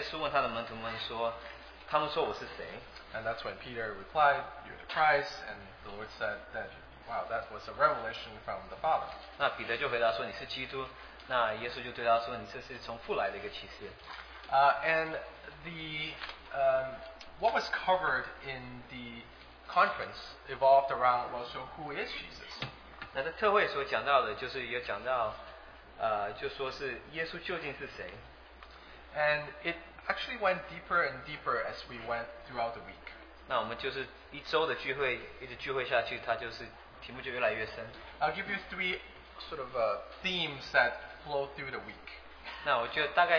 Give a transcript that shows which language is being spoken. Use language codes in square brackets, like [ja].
[zh] 那这个这次大会的主题是马太福音16章，就是当耶稣问他的门徒们说，他们说我是谁？ [en] And that's when Peter replied, "You're the Christ." And the Lord said that, "Wow, that was a revelation from the Father." [zh] 那彼得就回答说你是基督，那耶稣就对他说你这是从父来的一个启示。 [en] And the what was covered in the conference evolved around, well, so who is Jesus? [zh] 那特会所讲到的就是也讲到，就说是耶稣究竟是谁？ [en] And it actually went deeper and deeper as we went throughout the week. [zh] 那我们就是一周的聚会，一直聚会下去，它就是题目就越来越深。 [en] I'll give you three sort of themes that flow through the week.